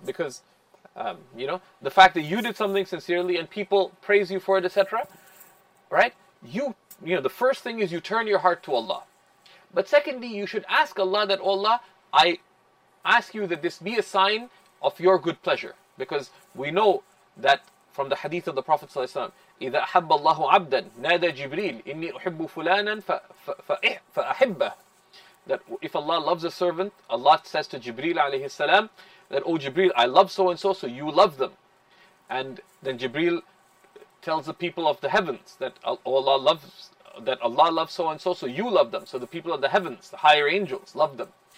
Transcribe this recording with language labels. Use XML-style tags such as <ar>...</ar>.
<en>Because, the fact that you did something sincerely and people praise you for it, etc. Right? The first thing is you turn your heart to Allah. But secondly, you should ask Allah that, oh Allah, I ask you that this be a sign of your good pleasure. Because we know that from the hadith of the Prophet ﷺ,</en> <ar>إِذَا أَحَبَّ اللَّهُ عَبْدًا نَادَى جِبْرِيلِ إِنِّي أُحِبُّ فُلَانًا فَأَحِبَّهُ.</ar> <en>That if Allah loves a servant, Allah says to Jibreel alayhi salam, that, oh Jibreel, I love so-and-so, so you love them. And then Jibreel tells the people of the heavens that, oh Allah, Allah loves so-and-so, so you love them. So the people of the heavens, the higher angels, love them.</en>